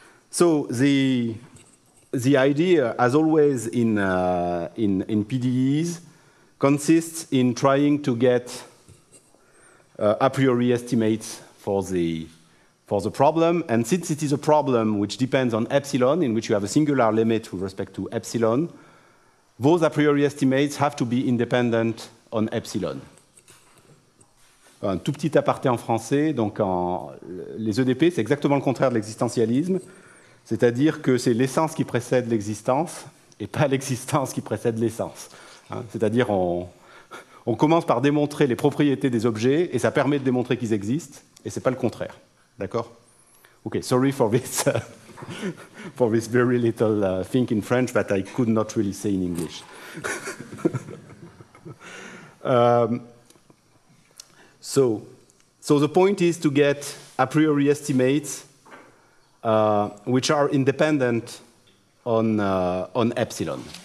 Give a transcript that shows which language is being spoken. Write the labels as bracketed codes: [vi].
[en] So the idea, as always in PDEs, consists in trying to get a priori estimates for the problem, and since it is a problem which depends on epsilon, in which you have a singular limit with respect to epsilon, those a priori estimates have to be independent on epsilon. [fr] Un tout petit aparté en français, donc les EDP, c'est exactement le contraire de l'existentialisme, c'est-à-dire que c'est l'essence qui précède l'existence et pas l'existence qui précède l'essence. Hein, c'est-à-dire on commence par démontrer les propriétés des objets et ça permet de démontrer qu'ils existent et c'est pas le contraire. D'accord? [en] Okay, sorry for this for this very little thing in French that I could not really say in English. So the point is to get a priori estimates which are independent on epsilon.